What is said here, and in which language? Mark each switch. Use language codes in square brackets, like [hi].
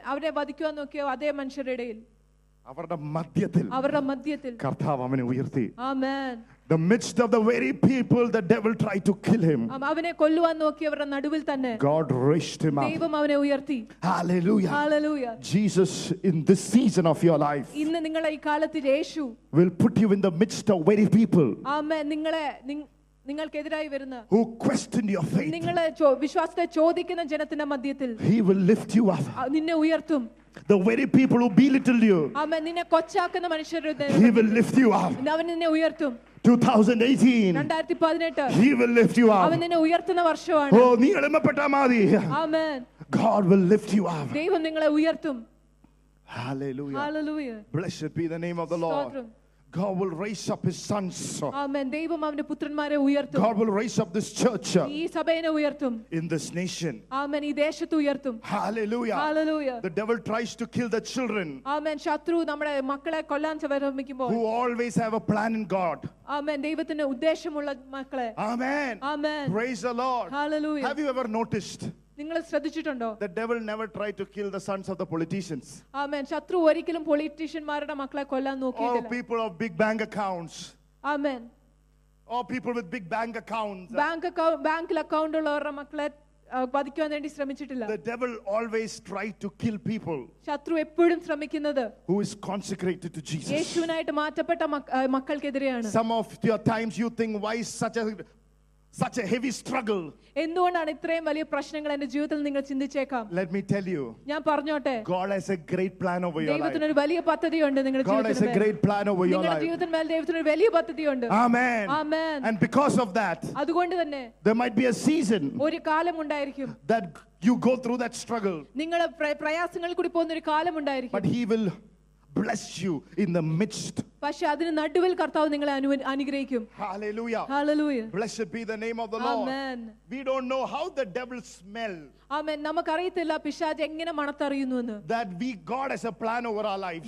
[ml] അവരെ വധിക്കാൻ നോക്കിയ അതേ മനുഷ്യരുടെയിൽ. അവരുടെ മധ്യത്തിൽ കർത്താവ് അവനെ ഉയർത്തി. [en] Amen. The midst of the very people the devil tried to kill him. [ml] അവനെ കൊല്ലുവാൻ നോക്കി അവരുടെ നടുവിൽ തന്നെ. [en] God raised him up. [ml] ദൈവം അവനെ ഉയർത്തി. [en] Hallelujah. Hallelujah. Jesus in this season of your life. [ml] ഇന്ന് നിങ്ങളുടെ ഈ കാലത്തിൽ യേശു. [en] Will put you in the midst of very people. [ml] ആമേൻ. നിങ്ങളെ നിങ്ങൾക്കെതിരായി വരുന്ന. [en] Who questioned your faith. [ml] നിങ്ങളെ വിശ്വാസത്തെ ചോദിക്കുന്ന ജനത്തിന്റെ മധ്യത്തിൽ. [en] He will lift you up. [ml] നിന്നെ ഉയർത്തും. [en] The very people who belittled you. [ml] ആമേൻ. നിന്നെ കൊച്ചാക്കുന്ന മനുഷ്യരുടെ. [en] He will lift you up. [ml] അവൻ നിന്നെ ഉയർത്തും. [en] 2018 he will lift you up. [ml] അവനെ ഉയർത്തുന്ന വർഷമാണ്. ഓ നീ എളിമപ്പെട്ടാ മതി. ആമേൻ. [en] God will lift you up. [ml] ദൈവം നിങ്ങളെ ഉയർത്തും. [en] Hallelujah. Hallelujah. Blessed be the name of the Lord. God will raise up his sons. [ml] Amen. ദൈവം അവന്റെ പുത്രന്മാരെ ഉയർത്തും. [en] God will raise up this church. [ml] ഈ സഭയെ ഉയർത്തും. [en] In this nation. [ml] Amen. ഈ ദേശത്തെ ഉയർത്തും. [en] Hallelujah. Hallelujah. The devil tries to kill the children. Amen. [ml] ശത്രു നമ്മുടെ മക്കളെ കൊല്ലാൻ ശ്രമിക്കുമ്പോൾ. [en] Who always have a plan in God. [ml] Amen. ദൈവത്തിന്റെ ഉദ്ദേശമുള്ള മക്കളെ. [en] Amen. Amen. Praise the Lord. Hallelujah. Have you ever noticed? [ml] നിങ്ങൾ ശ്രദ്ധിച്ചിട്ടുണ്ടോ? [en] The devil never tried to kill the sons of the politicians. [ml] ആമേൻ. ശത്രു ഒരിക്കലും പൊളിറ്റീഷ്യന്മാരുടെ മക്കളെ കൊല്ലാൻ നോക്കിയിട്ടില്ല. [en] Oh, people of big bank accounts. [ml] Amen. [en] Oh, people with big bank accounts. [ml] ബാങ്കിൽ account ഉള്ളവരുടെ മക്കളെ വധിക്കാൻ വേണ്ടി ശ്രമിച്ചിട്ടില്ല. [en] The devil always tried to kill people. [ml] ശത്രു എപ്പോഴും ശ്രമിക്കുന്നത് [en] who is consecrated to Jesus. [ml] യേശുവിനായിട്ട് മാറ്റപ്പെട്ട മക്കൾക്കെതിരെയാണ്. [en] Some of your times you think why is such a heavy struggle. [ml] എന്തുകൊണ്ടാണ് ഇത്രയും വലിയ പ്രശ്നങ്ങൾ എന്റെ ജീവിതത്തിൽ നിങ്ങൾ ചിന്തിച്ചേക്കാം. [en] Let me tell you. [ml] ഞാൻ പറഞ്ഞോട്ടെ. [en] God has a great plan over your life. [ml] ദൈവത്തിന് ഒരു വലിയ പദ്ധതിയുണ്ട് നിങ്ങളുടെ ജീവിതത്തിൽ. [en] God has a great plan over your life. [ml] നിങ്ങളുടെ ജീവിതത്തിൽ ദൈവത്തിന് ഒരു വലിയ പദ്ധതിയുണ്ട്. [en] Amen. Amen. And because of that. [ml] അതുകൊണ്ട് തന്നെ. [en] There might be a season. [ml] ഒരു കാലം ഉണ്ടായിരിക്കും. [en] That you go through that struggle. [ml] നിങ്ങളെ പ്രയാസങ്ങൾ കൂടി പോകുന്ന ഒരു കാലം ഉണ്ടായിരിക്കും. [en] But he will bless you in the midst. [ml] പക്ഷേ അതിന് നടുവിൽ കർത്താവ് നിങ്ങളെ അനുഗ്രഹിക്കും. [en] Hallelujah. Hallelujah. Blessed be the name of the Lord. Amen. We don't know how the devil smell. Amen. [ml] നമുക്ക് അറിയില്ല പിശാച് എങ്ങനെ മണത്തറിയുന്നു എന്ന്. [en] That we God has a plan over our lives.